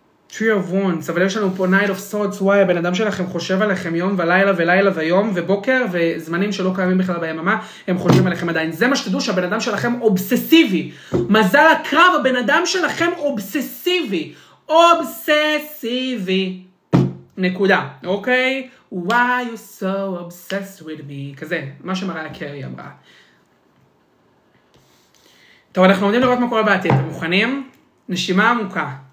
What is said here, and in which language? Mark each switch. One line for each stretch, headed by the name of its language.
Hebrew: Tree of Wands, אבל יש לנו פה Night of Swords, וואי, הבן אדם שלכם חושב עליכם יום ולילה ולילה ויום ובוקר וזמנים שלא קיימים בכלל ביממה, הם חושבים עליכם עדיין. זה מה שתדעו, שהבן אדם שלכם אובססיבי. מזל הקרב, הבן אדם שלכם אובססיבי. אובססיבי. נקודה, אוקיי?
English: Why you so obsessed with me?
Hebrew: כזה, מה שמראה קרי אמרה. טוב, אנחנו עומדים לראות מה קורה בעתיד, אתם מוכנים? נשימה עמוקה.